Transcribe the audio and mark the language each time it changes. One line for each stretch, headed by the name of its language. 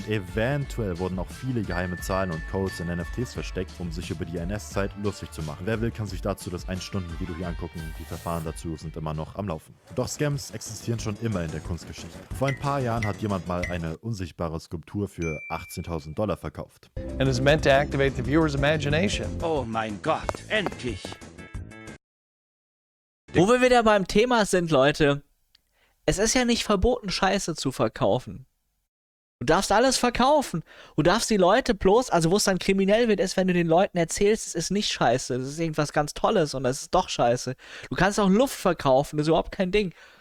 German: Und eventuell wurden auch viele geheime Zahlen und Codes in NFTs versteckt, um sich über die NS-Zeit lustig zu machen. Wer will, kann sich dazu das 1-Stunden-Video hier angucken, die Verfahren dazu sind immer noch am Laufen. Doch Scams existieren schon immer in der Kunstgeschichte. Vor ein paar Jahren hat jemand mal eine unsichtbare Skulptur für 18.000 Dollar verkauft.
English: And it's meant to activate the viewer's imagination.
German: Oh mein Gott, endlich! Wo wir wieder beim Thema sind, Leute, es ist ja nicht verboten, Scheiße zu verkaufen. Du darfst alles verkaufen. Du darfst die Leute bloß, also wo es dann kriminell wird, ist, wenn du den Leuten erzählst, es ist nicht scheiße. Es ist irgendwas ganz Tolles und es ist doch scheiße. Du kannst auch Luft verkaufen, das ist überhaupt kein Ding.